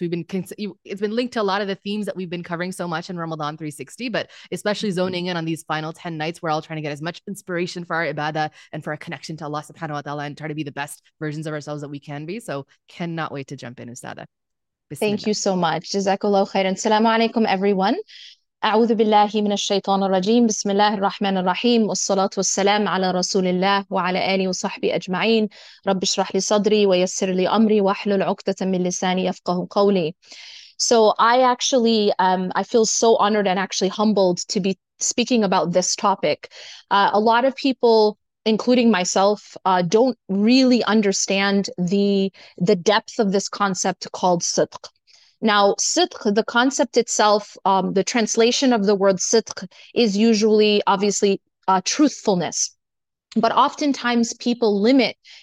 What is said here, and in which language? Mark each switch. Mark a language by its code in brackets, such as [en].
[en] It's been linked to a lot of the themes that we've been covering so much in Ramadan 360, but especially zoning in on these final 10 nights, we're all trying to get as much inspiration for our ibadah and for our connection to Allah subhanahu wa ta'ala and try to be the best versions of ourselves that we can be. So cannot wait to jump in, Ustada. Bismillah. Thank you so much. Jazakallahu khairan. Assalamu alaikum, everyone. [ar] أعوذ بالله من الشيطان الرجيم بسم الله الرحمن الرحيم والصلاة والسلام على رسول الله وعلى آله وصحبه أجمعين رب اشرح لي صدري ويسر لي أمري واحلل عقدة من لساني يفقه قولي. [en] So I feel so honored and actually humbled to be speaking about this topic. A lot of people, including myself, don't really understand the depth of this concept called sidq. Now, sidq, the concept itself, the translation of the word sidq is usually, obviously, truthfulness. But oftentimes people limit